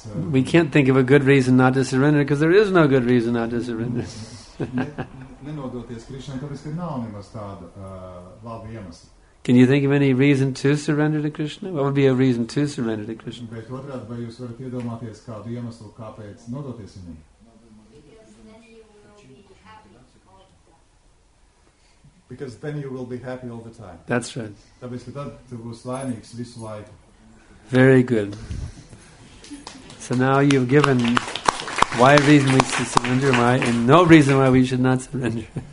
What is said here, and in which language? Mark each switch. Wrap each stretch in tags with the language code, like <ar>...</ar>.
<en>We can't think of a good reason not to surrender because there is no good reason not to surrender.</en> <lv>Nenodoties Krišnai, tāpēc, ka nav nemaz tāda laba iemesla.</lv> <en>Can you think of any reason to surrender to Krishna? What would be a reason to surrender to Krishna?</en> <lv>Bet otrādi, vai jūs varat iedomāties kādu iemeslu, kāpēc nodoties viņai?</lv> <en>Because then you will be happy. Because then you will be happy all the time. That's right.</en> <lv>Tāpēc, ka tad tu būs laimīgs visu laiku.</lv> <en>Very good. So now you've given... Why reason we should surrender? Why? And no reason why we should not surrender.</en>